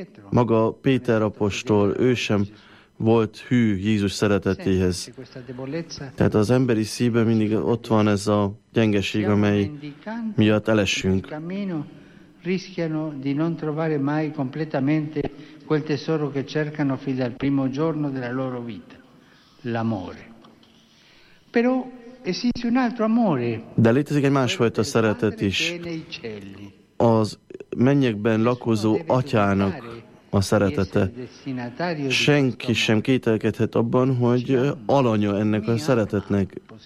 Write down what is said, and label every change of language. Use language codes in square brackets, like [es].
[hu] Maga Péter apostol, ő sem volt hű Jézus szeretetéhez. Tehát az emberi szívben mindig ott van ez a gyengeség, amely miatt elesünk. [it] Rischiano di non trovare mai completamente quel tesoro che cercano fin dal primo giorno della loro vita, l'amore. Però esiste un altro amore. [hu] De létezik egy másfajta szeretet is. Az mennyekben lakozó atyának a szeretete. Senki sem kételkedhet abban, hogy alanya ennek a szeretetnek.